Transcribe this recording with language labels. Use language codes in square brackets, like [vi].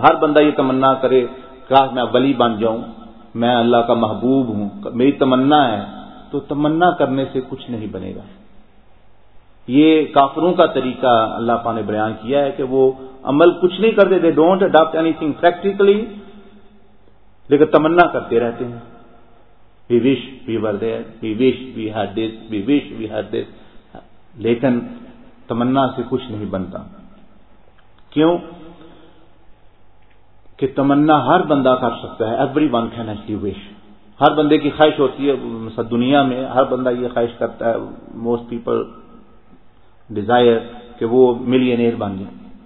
[ur] ہر بندہ یہ تمنا کرے کاش میں ولی بن جاؤں, میں اللہ کا محبوب ہوں, میری تمنا ہے. تو تمنا کرنے سے کچھ نہیں بنے گا. یہ کافروں کا طریقہ اللہ پاک نے بیان کیا ہے کہ وہ عمل کچھ نہیں کرتے, [en] they don't adapt anything practically, [ur] لیکن تمنا کرتے رہتے ہیں. [en] We wish we were there, we wish we had this, we wish we had this. [ur] لیکن تمنا سے کچھ نہیں بنتا. کیوں کہ تمنا ہر بندہ کر سکتا ہے. [en] Everyone can actually wish. [ur] ہر بندے کی خواہش ہوتی ہے, مثلا دنیا میں ہر بندہ یہ خواہش کرتا ہے, [en] most people desire [ur] کہ وہ ملینئر بن جائے.